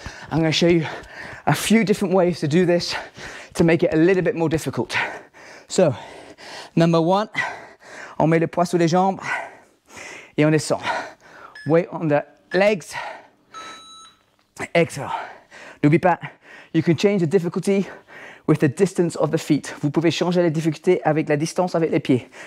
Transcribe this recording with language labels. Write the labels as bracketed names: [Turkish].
[English] I'm going to show you a few different ways to do this to make it a little bit more difficult. So, number one, [French] on met le poids sous les jambes et on descend. [English] Weight on the legs. Exhale. [French] N'oublie pas, [English] you can change the difficulty with the distance of the feet. [French] Vous pouvez changer la difficulté avec la distance avec les pieds.